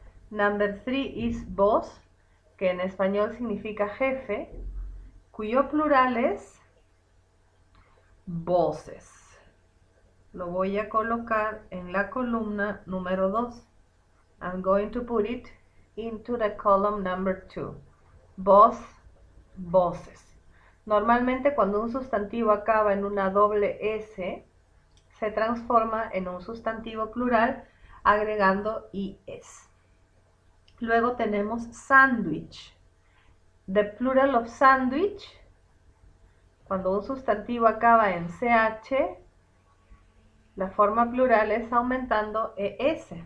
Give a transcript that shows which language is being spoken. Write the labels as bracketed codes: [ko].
[en] Number 3 is boss, [es] que en español significa jefe, cuyo plural es bosses. Lo voy a colocar en la columna número 2. [en] I'm going to put it into the column number 2. Boss, bosses. [es] Normalmente cuando un sustantivo acaba en una doble S, se transforma en un sustantivo plural agregando IS. Luego tenemos sandwich. [en] The plural of sandwich, [es] cuando un sustantivo acaba en ch, la forma plural es aumentando es.